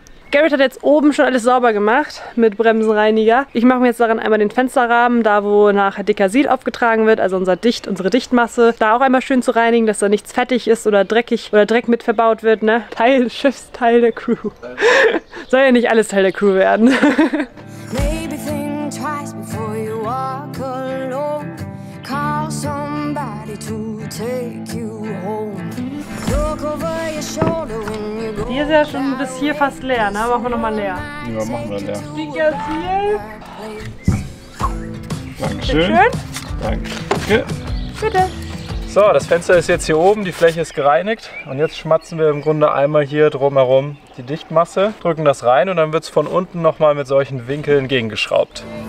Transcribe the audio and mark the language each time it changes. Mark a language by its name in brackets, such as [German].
[German] Garrett hat jetzt oben schon alles sauber gemacht mit Bremsenreiniger. Ich mache mir jetzt daran einmal den Fensterrahmen, da wo nachher Dekasil aufgetragen wird, also unser Dicht, unsere Dichtmasse, da auch einmal schön zu reinigen, dass da nichts fettig ist oder dreckig oder Dreck mit verbaut wird, ne? Teil des Schiffs, Teil der Crew. Soll ja nicht alles Teil der Crew werden. [English] Maybe think twice before you walk alone. Call somebody to take you home. Look over your shoulder when you go. [German] Hier ist ja schon bis hier fast leer, ne? Machen wir nochmal leer. Ja, machen wir leer. Dankeschön. Dankeschön. Danke. Bitte. So, das Fenster ist jetzt hier oben, die Fläche ist gereinigt und jetzt schmatzen wir im Grunde einmal hier drumherum die Dichtmasse, drücken das rein und dann wird es von unten nochmal mit solchen Winkeln gegengeschraubt.